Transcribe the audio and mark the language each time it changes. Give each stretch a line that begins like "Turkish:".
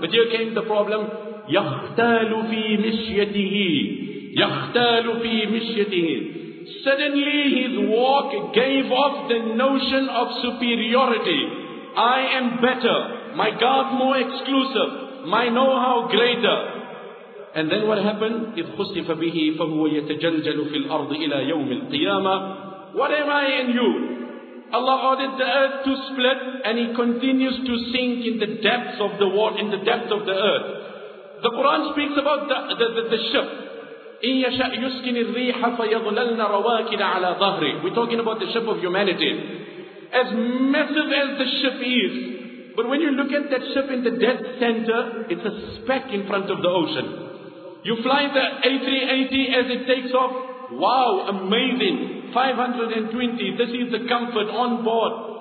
English: But here came the problem,
Arabic: يَخْتَالُ فِي مِشْيَتِهِ يَخْتَالُ فِي مِشْيَتِهِ
English: Suddenly his walk gave off the notion of superiority. I am better, my garb more exclusive, my know-how greater. And then what happened?
Arabic: إِذْ خُسِّفَ بِهِ فَهُوَ يَتَجَلْجَلُ فِي الْأَرْضِ إِلَى يَوْمِ الْقِيَامَةِ
English: What am I and you? Allah ordered the earth to split and he continues to sink in the depths of the water, in the depth of the earth. The Quran speaks about the ship.
Arabic: إِنْ يَشَأْ يُسْكِنِ الرِّيحَ فَيَضْلَلْنَ رَوَاكِدَ عَلَى ظَهْرِ
English: We're talking about the ship of humanity. As massive as the ship is, but when you look at that ship in the dead center, it's a speck in front of the ocean. You fly the A380 as it takes off, wow, amazing, 520, this is the comfort on board.